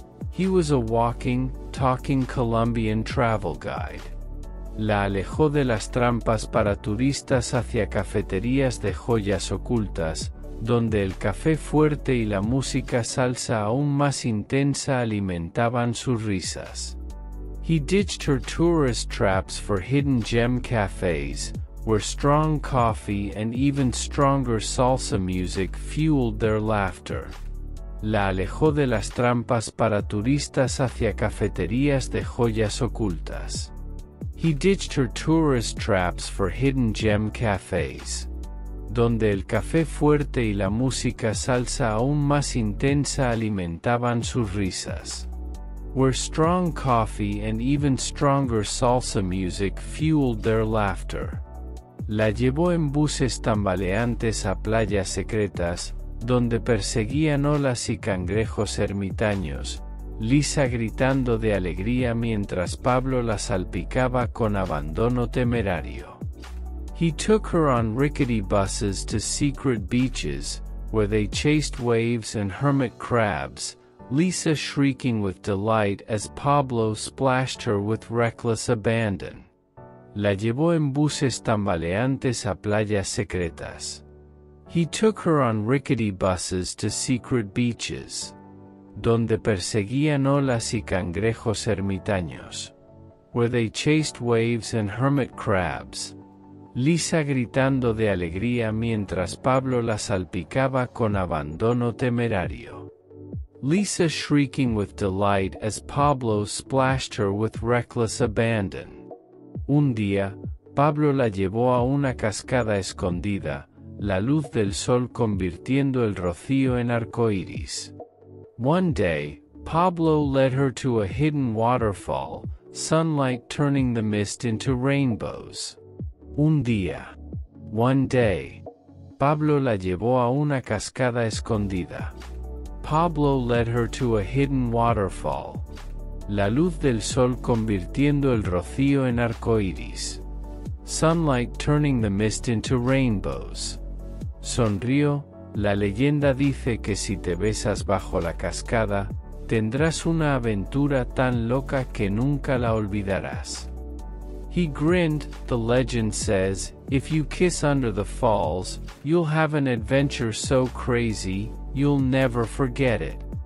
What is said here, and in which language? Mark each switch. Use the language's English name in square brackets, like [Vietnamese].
[English] He was a walking, talking Colombian travel guide. [Spanish] La alejó de las trampas para turistas hacia cafeterías de joyas ocultas, donde el café fuerte y la música salsa aún más intensa alimentaban sus risas. [English] He ditched her tourist traps for hidden gem cafes, where strong coffee and even stronger salsa music fueled their laughter. [Spanish] La alejó de las trampas para turistas hacia cafeterías de joyas ocultas. [English] He ditched her tourist traps for hidden gem cafes. [Spanish] Donde el café fuerte y la música salsa aún más intensa alimentaban sus risas. [English] Where strong coffee and even stronger salsa music fueled their laughter. [Spanish] La llevó en buses tambaleantes a playas secretas, donde perseguían olas y cangrejos ermitaños. Lisa gritando de alegría mientras Pablo la salpicaba con abandono temerario. [English] He took her on rickety buses to secret beaches, where they chased waves and hermit crabs, Lisa shrieking with delight as Pablo splashed her with reckless abandon. [Spanish] La llevó en buses tambaleantes a playas secretas. [English] He took her on rickety buses to secret beaches. [Spanish] Donde perseguían olas y cangrejos ermitaños. [English] Where they chased waves and hermit crabs. [Spanish] Lisa gritando de alegría mientras Pablo la salpicaba con abandono temerario. [English] Lisa shrieking with delight as Pablo splashed her with reckless abandon. [Spanish] Un día, Pablo la llevó a una cascada escondida, la luz del sol convirtiendo el rocío en arcoíris. [English] One day, Pablo led her to a hidden waterfall, sunlight turning the mist into rainbows. [Spanish] Un día. [English] One day. [Spanish] Pablo la llevó a una cascada escondida. [English] Pablo led her to a hidden waterfall. [Spanish] La luz del sol convirtiendo el rocío en arcoíris. [English] Sunlight turning the mist into rainbows. [Spanish] Sonrió, la leyenda dice que si te besas bajo la cascada, tendrás una aventura tan loca que nunca la olvidarás. [English] He grinned, the legend says, if you kiss under the falls, you'll have an adventure so crazy, you'll never forget it.